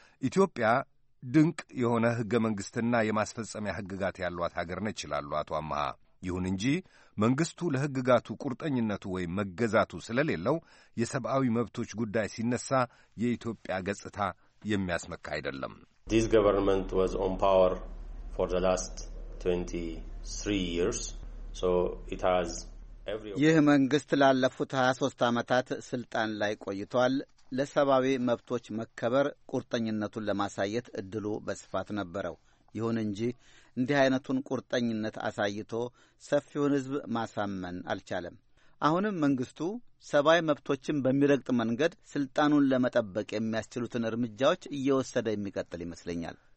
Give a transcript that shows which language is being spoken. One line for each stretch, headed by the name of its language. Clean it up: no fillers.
Amharic: ኢትዮጵያ ድንቅ የሆነ ሕገ መንግሥትና የማስፈጸሚያ ሕግጋት ያሏት ሀገር ነች ይላሉ አቶ አማሃ። ይሁን እንጂ መንግሥቱ ለሕግጋቱ ቁርጠኝነቱ ወይም መገዛቱ ስለሌለው የሰብአዊ መብቶች ጉዳይ ሲነሳ የኢትዮጵያ ገጽታ የሚያስመካ አይደለም።
English: This government was on power for the last 23 years, so it has every...
Amharic: ይህ መንግስት ላለፉት 23 ዓመታት ስልጣን ላይ ቆይቷል። ለሰብአዊ መብቶች መከበር ቁርጠኝነቱን ለማሳየት እድሉ በስፋት ነበረው። ይሁን እንጂ እንዲህ አይነቱን ቁርጠኝነት አሳይቶ ሰፊውን ህዝብ ማሳመን አልቻለም። አሁንም መንግስቱ ሰብአዊ መብቶችን በሚረግጥ መንገድ ስልጣኑን ለመጠበቅ የሚያስችሉትን እርምጃዎች እየወሰደ የሚቀጥል ይመስለኛል።